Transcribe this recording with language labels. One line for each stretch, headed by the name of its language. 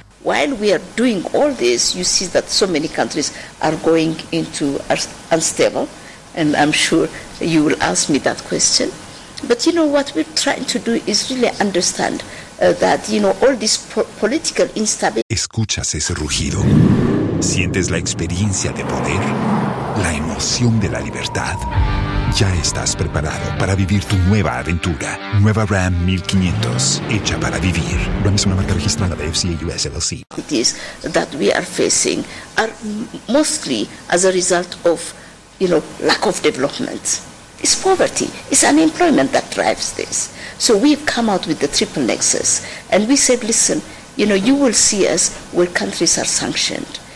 English: While we are doing all this, you see that so many countries are going into unstable, and I'm sure you will ask me that question. But you know, what we're trying to do is really understand that, you know, all this political instability.
Spanish: Escuchas ese rugido. Sientes la experiencia de poder, la emoción de la libertad. Ya estás preparado para vivir tu nueva aventura. Nueva Ram 1500, hecha para vivir. Ram es una marca registrada de FCA US LLC.
English: These that we are facing are mostly as a result of, you know, lack of development. It's poverty, it's unemployment that drives this. So we've come out with the triple nexus, and we said, listen, you know, you will see us where countries are sanctioned.